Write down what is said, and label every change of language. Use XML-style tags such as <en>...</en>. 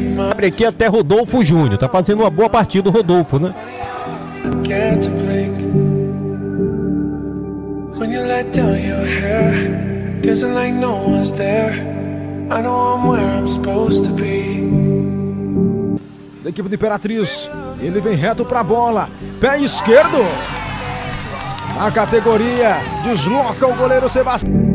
<pt>Abre aqui até Rodolfo Júnior. Tá fazendo uma boa partida o Rodolfo, né?</pt> <en>When you let down your hair, dancing like no one's there. I know I'm where I'm supposed to be.</en> <pt>Da equipe do Imperatriz, ele vem reto pra bola, pé esquerdo. A categoria desloca o goleiro Sebastião.</pt>